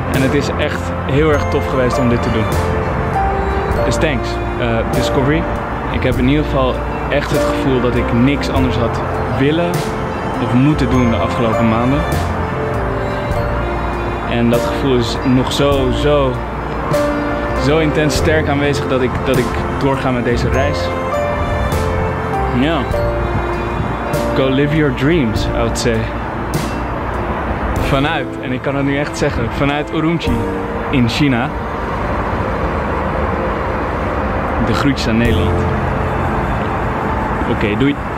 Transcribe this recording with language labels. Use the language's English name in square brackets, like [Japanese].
[Dutch] En het is echt heel erg tof geweest om dit te doen. Dus thanks, Discovery. Ik heb in ieder geval echt het gevoel dat ik niks anders had willen of moeten doen de afgelopen maanden. En dat gevoel is nog zo intens sterk aanwezig dat ik doorga met deze reis. Ja. [English] Go live your dreams, I would say. [Dutch] Vanuit, en ik kan het nu echt zeggen, vanuit Urumqi in China. De groetjes aan Nederland. Oké, doei.